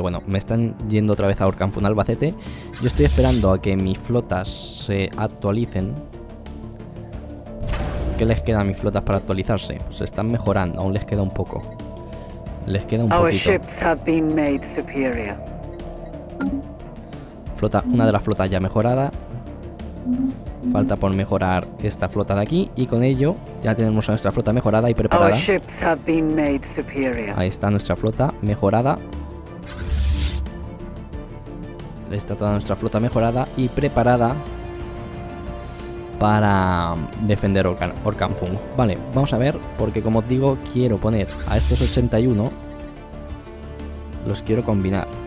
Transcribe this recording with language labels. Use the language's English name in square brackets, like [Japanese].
[Spanish] Bueno, me están yendo otra vez a Orkan Fung, Albacete. Yo estoy esperando a que mis flotas se actualicen. ¿Qué les queda a mis flotas para actualizarse? Pues están mejorando, aún les queda un poco. Les queda un poquito. [English] Our ships have been made superior. [Spanish] Flota, una de las flotas ya mejorada. Falta por mejorar esta flota de aquí. Y con ello ya tenemos a nuestra flota mejorada y preparada. [English] Our ships have been made superior. [Spanish] Ahí está nuestra flota mejorada. Ahí está toda nuestra flota mejorada y preparada para defender Orkan Fung. Vale, vamos a ver, porque como os digo, quiero poner a estos 81. Los quiero combinar.